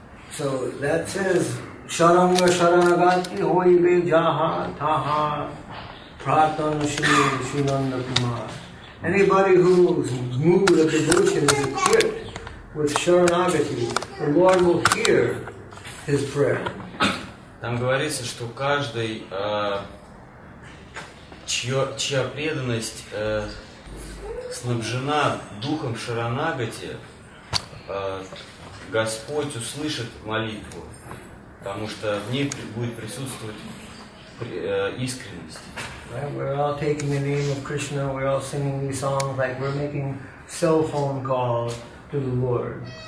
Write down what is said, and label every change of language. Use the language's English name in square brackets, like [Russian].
[English] So that says [Bangla] Sharam Sharanagati hoi be jaha taha pratan shunanda kumar. [English] Anybody whose mood of devotion is equipped with Sharanagati, the Lord will hear his prayer. [Russian] Там говорится, что каждый, чья преданность снабжена духом Sharanagati, Господь услышит молитву, потому что в ней будет присутствовать искренность. [English] Right, we're all taking the name of Krishna, we're all singing these songs, like we're making cell phone calls to the Lord.